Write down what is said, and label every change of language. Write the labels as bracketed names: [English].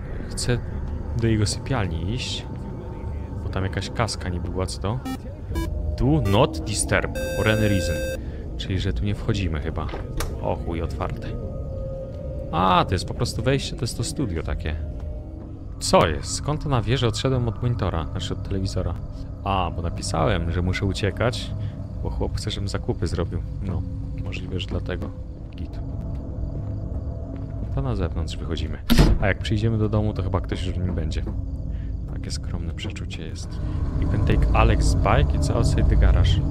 [Polish] Chcę do jego sypialni iść. Bo tam jakaś kaska nie była, co to? [English] Do not disturb for any reason. [Polish] Czyli, że tu nie wchodzimy chyba. O chuj, otwarte. A, to jest po prostu wejście, to jest to studio takie. Co jest? Skąd to na wieżę odszedłem od monitora, znaczy od telewizora? A, bo napisałem, że muszę uciekać, bo chłop chce, żebym zakupy zrobił. No, możliwe, że dlatego. Git. To na zewnątrz wychodzimy. A jak przyjdziemy do domu, to chyba ktoś już w nim będzie. Takie skromne przeczucie jest. [English] You can take Alex's bike, it's outside the garage.